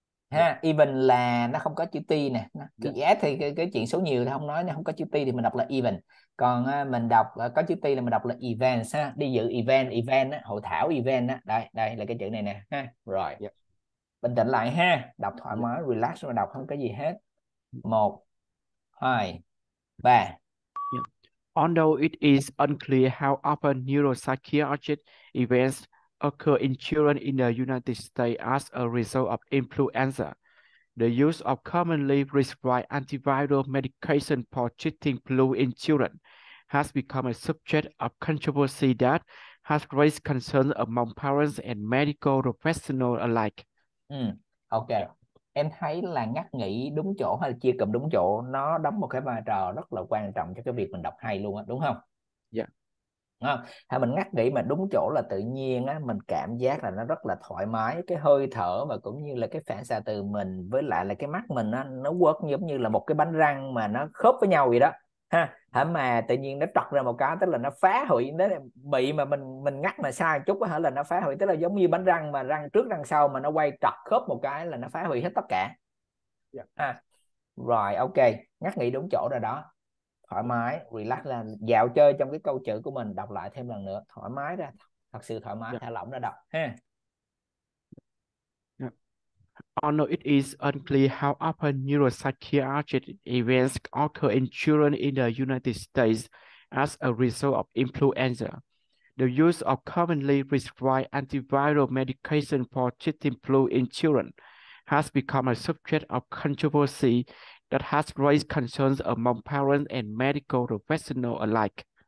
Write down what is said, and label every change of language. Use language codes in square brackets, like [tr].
[vi] Ha, even là nó không có chữ T nè. Chữ S thì cái chuyện số nhiều thì không nói, không có chữ T thì mình đọc là even. Còn mình đọc có chữ T là mình đọc là events ha. Đi dự event á, hội thảo event á. Đây, đây là cái chữ này nè ha. Rồi. Bình tĩnh lại ha, đọc thoải mái, relax mà đọc không có gì hết. 1 2 3 [en] Although it is unclear how often neuropsychiatric events occur in children in the United States as a result of influenza, the use of commonly prescribed antiviral medication for treating flu in children has become a subject of controversy that has raised concerns among parents and medical professionals alike. [vi] Ok, em thấy là ngắt nghỉ đúng chỗ hay chia cụm đúng chỗ, nó đóng một cái vai trò rất là quan trọng cho cái việc mình đọc hay luôn á, đúng không? [en] Yeah. [vi] Đúng không? Hay mình ngắt nghỉ mà đúng chỗ là tự nhiên á, mình cảm giác là nó rất là thoải mái, cái hơi thở và cũng như là cái phản xạ từ mình với lại là cái mắt mình á, nó quất giống như là một cái bánh răng mà nó khớp với nhau vậy đó ha. Hả, mà tự nhiên nó trật ra một cái, tức là nó phá hủy, nó bị mà mình ngắt mà sai chút á, là nó phá hủy, tức là giống như bánh răng mà răng trước răng sau mà nó quay trật khớp một cái là nó phá hủy hết tất cả. [en] Yeah. [vi] Ha. Rồi, ok, ngắt nghỉ đúng chỗ rồi đó, thoải mái, relax là dạo chơi trong cái câu chữ của mình, đọc lại thêm lần nữa, thoải mái ra, thật sự thoải mái, thả lỏng ra đọc ha. [en] Although it is unclear how often neuropsychiatric events occur in children in the United States as a result of influenza, the use of commonly prescribed antiviral medication for treating flu in children has become a subject of controversy that has raised concerns among parents and medical professionals alike.